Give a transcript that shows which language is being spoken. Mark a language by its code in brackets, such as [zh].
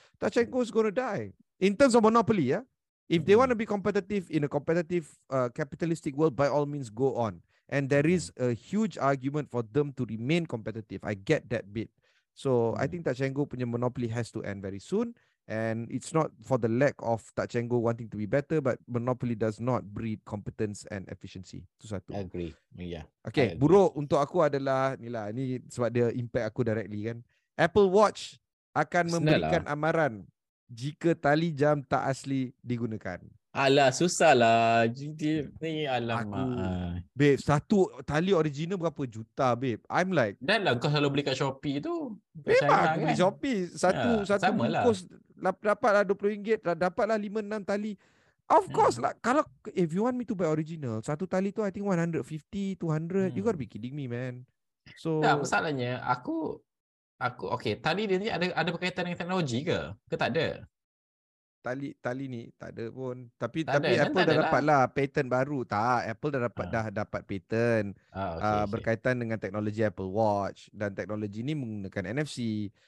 [en] Touch and go is going to die in terms of monopoly. Yeah? If they want to be competitive in a competitive capitalistic world, by all means go on. And there is a huge argument for them to remain competitive. I get that bit. So I think touch and go punya monopoly has to end very soon. And it's not for the lack of touch and go wanting to be better, but monopoly does not breed competence and efficiency. [ms] Itu satu. [en] Agree. Yeah. [ms] Okay, buruk untuk aku adalah, ni sebab dia impact aku directly kan. Apple Watch akan memberikan amaran jika tali jam tak asli digunakan. Alah, susahlah. Ni alamak. Babe, satu tali original berapa juta, babe? [en] I'm like. [ms] Dan lah, kau selalu beli kat Shopee tu. Babe, aku beli Shopee. Satu bungkus. Dapatlah RM20, dapatlah 5-6 tali. [en] Of course [ms] lah. Kalau [en] if you want me to buy original, [ms] satu tali tu [en] I think 150-200. You gotta be kidding me, man. So [ms] tak, masalahnya aku okay, tali dia ni ada berkaitan dengan teknologi ke tak ada? Tali ni tak ada pun. Tapi ada, Apple dah dapatlah patent baru. Tak, Apple dah dapat dah dapat patent berkaitan dengan teknologi Apple Watch, dan teknologi ni menggunakan NFC.